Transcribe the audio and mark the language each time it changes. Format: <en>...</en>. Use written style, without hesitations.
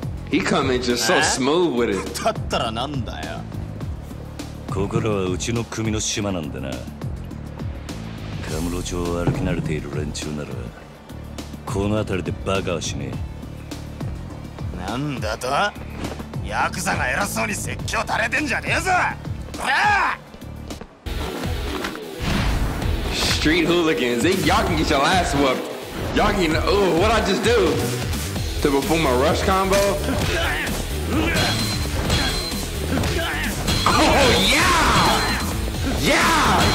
<en>He come in just so smooth with it.</en> <ja>だったらなんだよ? ここらはうちの組の島なんだな。カムロ町を歩き慣れている連中なら この辺りでバカはしねえ。なんだと? ヤクザが偉そうに説教垂れてんじゃねえぞ!</ja> <en>Street hooligans, y'all can get your ass whooped. Y'all can, what I just do? To perform a rush combo? Oh, yeah! Yeah!</en>